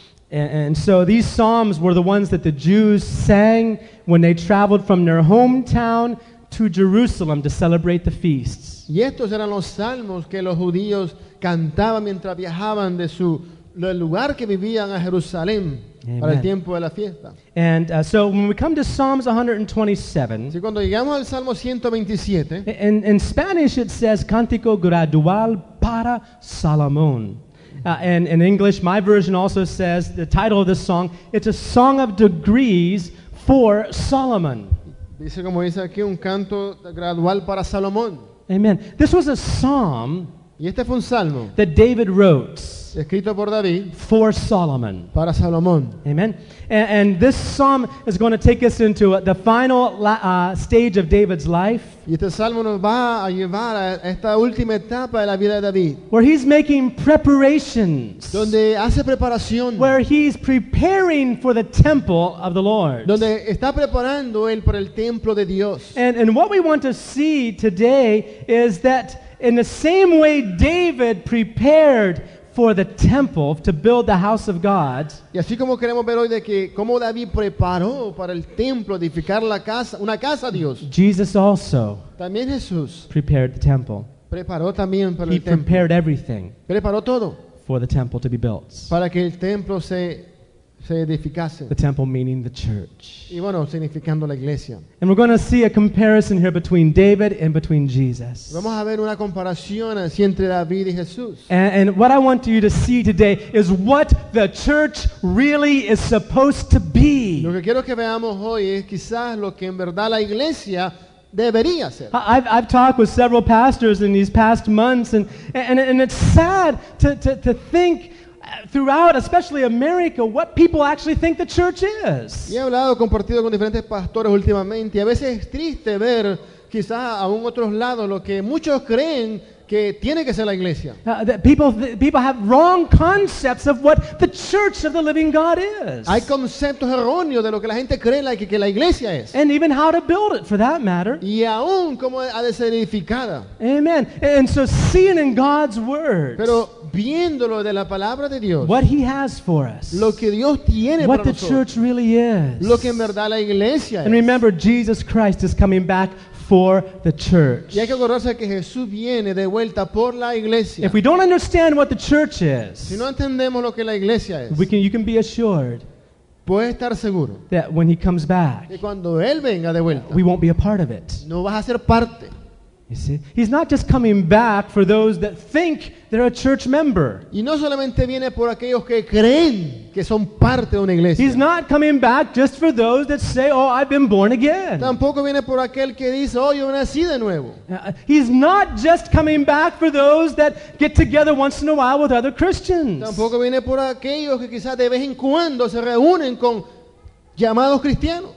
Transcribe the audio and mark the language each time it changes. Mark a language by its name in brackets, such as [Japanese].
[English] And so these psalms were the ones that the Jews sang when they traveled from their hometown to Jerusalem to celebrate the feasts. [Spanish] Y estos eran los salmos que los judíos cantaban mientras viajaban de su del lugar que vivían a Jerusalén. Amen. Para el tiempo de la fiesta. [English] And so when we come to Psalms 127, [Spanish] si cuando llegamos al Salmo 127, [English] in Spanish it says [Spanish] Cántico Gradual para Salomón. [English] And in English, my version also says the title of the song, it's a song of degrees for Solomon. [Spanish] Dice como dice aquí, un canto gradual para Salomón. [English] Amen. This was a psalm. [Spanish] Y este fue un salmo [English] that David wrote. [Spanish] Escrito por David. [English] For Solomon. [Spanish] Para Salomón. Amen. [English] And this psalm is going to take us into the final stage of David's life. [Spanish] Y este salmo nos va a llevar a esta última etapa de la vida de David. [English] Where he's making preparations. [Spanish] Donde hace preparación. [English] Where he's preparing for the temple of the Lord. [Spanish] Donde está preparando él para el templo de Dios. [English] And what we want to see today is that in the same way David prepared for the temple to build the house of God. [Spanish] Y así como queremos ver hoy de que cómo David preparó para el templo edificar la casa, una casa a Dios. [English] Jesus also. [Spanish] También Jesús. [English] Prepared the temple. [Spanish] Preparó también para el templo. [English] He prepared everything. [Spanish] Preparó todo. [English] For the temple to be built. [Spanish] Para que el templo se se edificase. [English] The temple meaning the church. [Spanish] Y bueno, significando la iglesia. [English] And we're going to see a comparison here between David and between Jesus. [Spanish] Vamos a ver una comparación así entre David y Jesús. [English] And what I want you to see today is what the church really is supposed to be. [Spanish] Lo que quiero que veamos hoy es quizás lo que en verdad la iglesia debería ser. [English] I've talked with several pastors in these past months, and it's sad to think throughout, especially America, what people actually think the church is. [Spanish] He hablado, compartido con diferentes pastores últimamente, y a veces es triste ver, quizás aún otros lados, lo que muchos creen que tiene que ser la iglesia. [English] People have wrong concepts of what the church of the living God is. [Spanish] Hay conceptos erróneos de lo que la gente cree que la iglesia es. [English] And even how to build it, for that matter. [Spanish] Y aún cómo ha de ser edificada. [English] Amen. And so seeing in God's word. [Spanish] Pero viéndolo de la palabra de Dios. [English] What he has for us. [Spanish] Lo que Dios tiene para nosotros. [English] What the church really is. [Spanish] Lo que en verdad la iglesia es. [English] And remember, Jesus Christ is coming back for the church. [Spanish] Y hay que acordarse que Jesús viene de vuelta por la iglesia. [English] If we don't understand what the church is, [Spanish] si no entendemos lo que la iglesia es, [English] you can be assured, [Spanish] puedes estar seguro, [English] that when he comes back, [Spanish] que cuando él venga de vuelta, [English] we won't be a part of it. [Spanish] No vas a ser parte. [English] You see? He's not just coming back for those that think they're a church member. [Spanish] Y no solamente viene por aquellos que creen que son parte de una iglesia. [English] He's not coming back just for those that say, oh, I've been born again. [Spanish] Tampoco viene por aquel que dice, oh, yo nací de nuevo. [English] He's not just coming back for those that get together once in a while with other Christians. [Spanish] Tampoco viene por aquellos que quizás de vez en cuando se reúnen con llamados cristianos.